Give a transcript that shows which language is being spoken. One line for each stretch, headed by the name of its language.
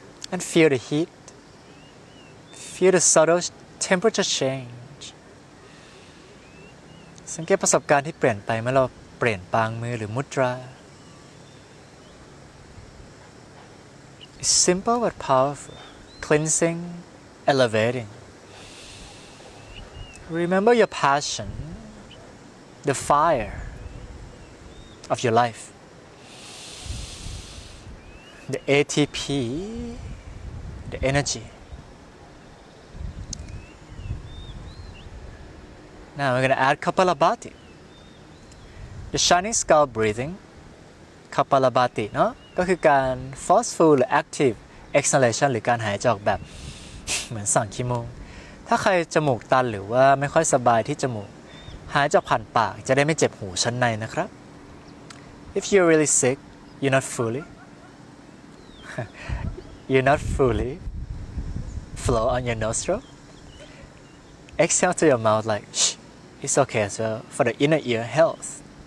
English: And feel the heat. Feel the subtle temperature change.
Thai: สังเกตประสบการณ์ที่เปลี่ยนไปเมื่อเราเปลี่ยนปางมือหรือมุตรา
English: It's simple but powerful. Cleansing, elevating. Remember your passion, the fire of your life. The ATP, the energy. Now we're going to add Kapalabhati. The shining skull breathing, Kapalabhati, no?
Thai: ก็คือการ forceful หรือ active exhalation หรือการหายใจออกแบบเหมือนสั่งคิโมถ้าใครจมูกตันหรือว่าไม่ค่อยสบายที่จมูกหายใจผ่านปากจะได้ไม่เจ็บหูชั้นในนะครับ
English: If you're really sick, you're not fully flow on your nostril. Exhale to your mouth like shh. It's okay as well for the inner ear health.